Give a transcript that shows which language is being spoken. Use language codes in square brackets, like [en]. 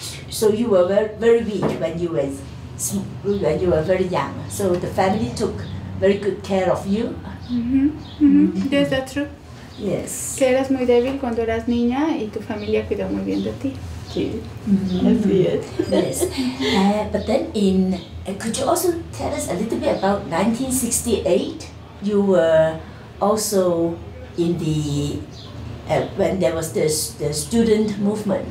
[en] So you were very weak when you were very young. So the family took very good care of you. Mm-hmm. Mm-hmm. Yes, that's true. Yes. [es] Que eras muy débil cuando eras niña y tu familia cuidó muy bien de ti. [en] Yes. Mm-hmm. Yes. But then in, could you also tell us a little bit about 1968? You were also in the, when there was the student movement.